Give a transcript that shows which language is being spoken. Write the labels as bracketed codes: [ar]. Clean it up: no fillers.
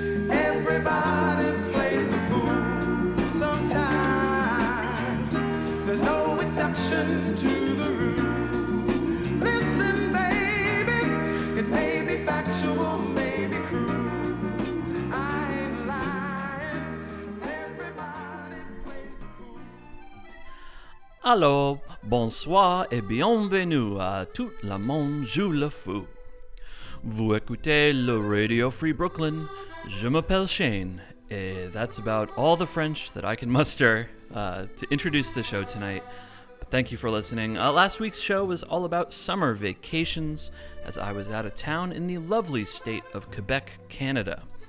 [en] Everybody plays the fool sometimes. There's no exception to the rule. Listen, baby, it may be factual, maybe cruel. I ain't lying. Everybody plays the fool. [fr] Allô, bonsoir et bienvenue à Tout le monde joue le fou. Vous écoutez le Radio Free Brooklyn. Je m'appelle Shane, et [en] that's about all the French that I can muster to introduce the show tonight. But thank you for listening. Last week's show was all about summer vacations, as I was out of town in the lovely state of Quebec, Canada.